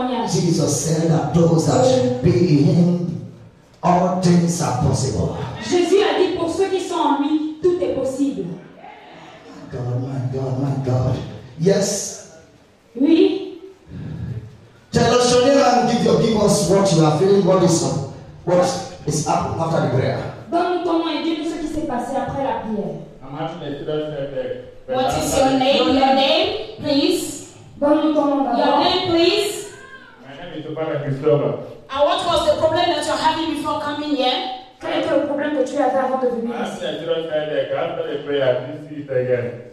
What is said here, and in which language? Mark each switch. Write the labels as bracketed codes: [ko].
[en] Jesus said that those that be in him, all things are possible. [fr] Jésus a dit pour ceux qui sont en lui, tout est possible. [en] God, my God, my God. Yes. [fr] Oui. [en] Tell us your name and give us what you are feeling, what is happening after the prayer. [fr] Donne-nous ton nom et dis-nous ce qui s'est passé après la prière. [en] What is your name? Your name, please. [fr] Donne-nous ton nom. [en] Your name, please. And what was the problem that you're having before coming here? [fr] Quel était le problème que tu avais avant de venir ici?